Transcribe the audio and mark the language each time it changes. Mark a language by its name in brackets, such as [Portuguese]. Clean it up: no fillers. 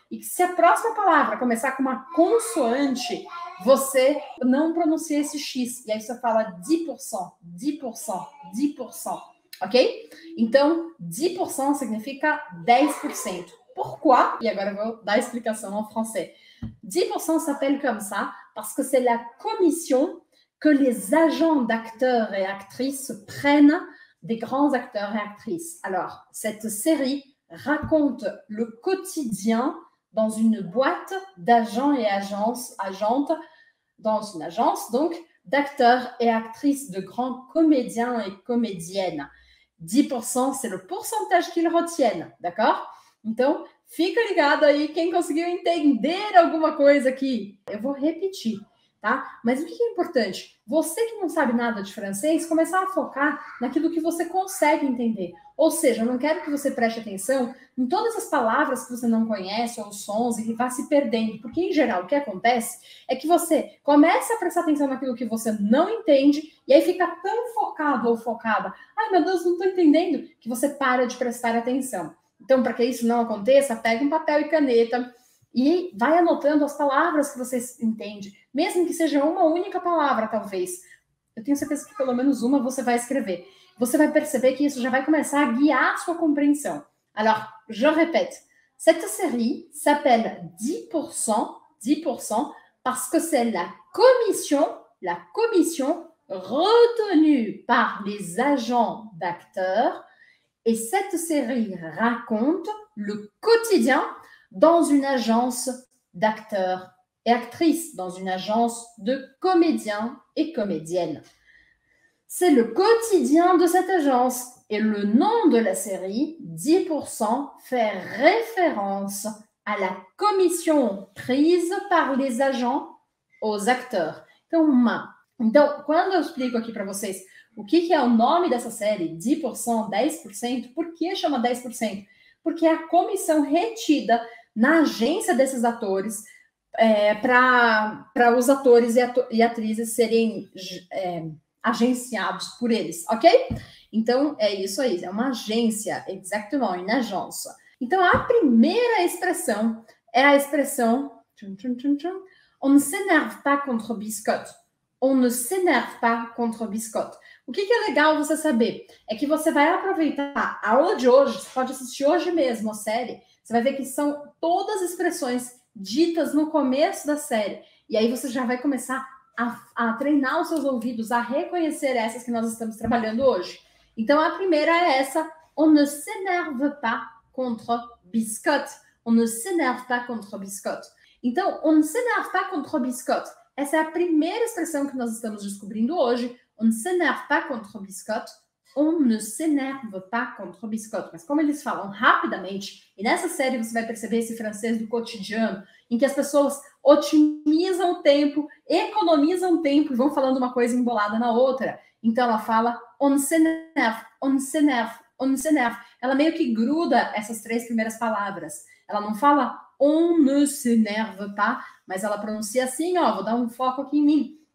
[Portuguese] E que se a próxima palavra começar com uma consoante, você não pronuncia esse X. E aí você fala 10%, 10%, 10%. Ok? Então, 10% significa 10%. Pourquoi? E agora eu vou dar a explicação em francês. [French] 10% s'appelle comme ça parce que c'est la commission que les agents d'acteurs et actrices prennent des grands acteurs et actrices. Alors, cette série raconte le quotidien dans une boîte d'agents et agentes, dans une agence, donc, d'acteurs et actrices, de grands comédiens et comédiennes. 10%, c'est le pourcentage qu'ils retiennent, d'accord? [Portuguese] Então, fica ligado aí quem conseguiu entender alguma coisa aqui. Eu vou repetir, tá? Mas o que é importante? Você que não sabe nada de francês, começar a focar naquilo que você consegue entender. Ou seja, eu não quero que você preste atenção em todas as palavras que você não conhece, ou os sons, e que vá se perdendo. Porque, em geral, o que acontece é que você começa a prestar atenção naquilo que você não entende, e aí fica tão focado ou focada, ai, meu Deus, não estou entendendo, que você para de prestar atenção. Então, para que isso não aconteça, pegue um papel e caneta e vai anotando as palavras que você entende, mesmo que seja uma única palavra, talvez. Eu tenho certeza que pelo menos uma você vai escrever. Você vai perceber que isso já vai começar a guiar a sua compreensão. [French] Alors, je répète. Cette série s'appelle 10%, 10%, parce que c'est la commission retenue par les agents d'acteurs. Et cette série raconte le quotidien dans une agence d'acteurs et actrices, dans une agence de comédiens et comédiennes. C'est le quotidien de cette agence et le nom de la série, 10%, fait référence à la commission prise par les agents aux acteurs. [Portuguese] Então, quando eu explico aqui para vocês o que é o nome dessa série, 10%, 10%, por que chama 10%? Porque é a comissão retida na agência desses atores para os atores e atrizes serem agenciados por eles, ok? Então, é isso aí, é uma agência, exatamente, uma agência. Então, a primeira expressão é a expressão [French] on ne s'énerve pas contre biscotte. On ne s'énerve pas contre biscotte. [Portuguese] O que é legal você saber? É que você vai aproveitar a aula de hoje, você pode assistir hoje mesmo a série, você vai ver que são todas expressões ditas no começo da série. E aí você já vai começar a treinar os seus ouvidos, a reconhecer essas que nós estamos trabalhando hoje. Então, a primeira é essa. [French] On ne s'énerve pas contre biscotte. On ne s'énerve pas contre biscotte. Então, on ne s'énerve pas contre biscotte. [Portuguese] Essa é a primeira expressão que nós estamos descobrindo hoje. [French] On ne s'énerve pas contre biscotte. On ne s'énerve pas contre biscotte. [Portuguese] Mas como eles falam rapidamente, e nessa série você vai perceber esse francês do cotidiano, em que as pessoas otimizam o tempo, economizam tempo e vão falando uma coisa embolada na outra. Então ela fala [French] on ne s'énerve, on ne s'énerve, on ne s'énerve. [Portuguese] Ela meio que gruda essas três primeiras palavras. Ela não fala [French] on ne s'énerve pas, [Portuguese] mas ela pronuncia assim, ó, vou dar um foco aqui em mim.